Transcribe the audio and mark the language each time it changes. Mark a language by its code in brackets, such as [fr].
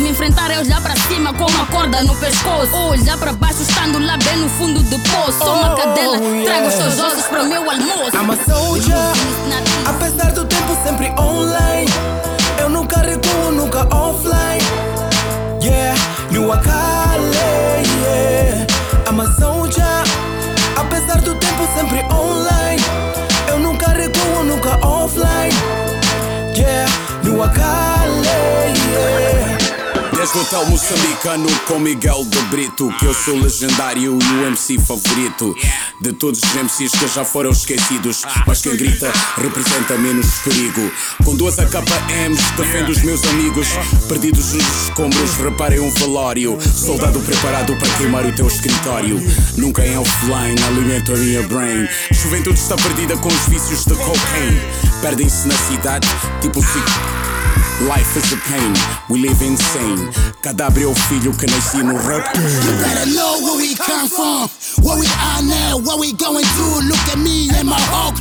[pt] Me enfrentar é olhar pra cima com uma corda no pescoço. Ou olhar pra baixo estando lá bem no fundo do poço. Sou uma cadela, trago os seus ossos pro meu almoço. [en] I'm a soldier, [pt] apesar do tempo sempre online. Eu nunca recuo, nunca offline. [en] Yeah, you are calling, yeah. I'm a soldier, [pt] apesar do tempo sempre online. Eu nunca recuo, nunca offline. [en] Yeah, you are calling, yeah. [pt] Escuta o moçambicano com Miguel do Brito. Que eu sou legendário e o MC favorito. De todos os MCs que já foram esquecidos, mas quem grita representa menos perigo. Com duas AKMs defendo os meus amigos. Perdidos nos escombros, reparei um velório. Soldado preparado para queimar o teu escritório. Nunca em offline, alimento a minha brain. Juventude está perdida com os vícios de cocaine. Perdem-se na cidade, tipo fico. [en] Life is a pain, we live insane. [pt] Cadabra é o filho que nasci no rap. [en] You better know where we come from. Where we are now, what we going through. Look at me and my heart.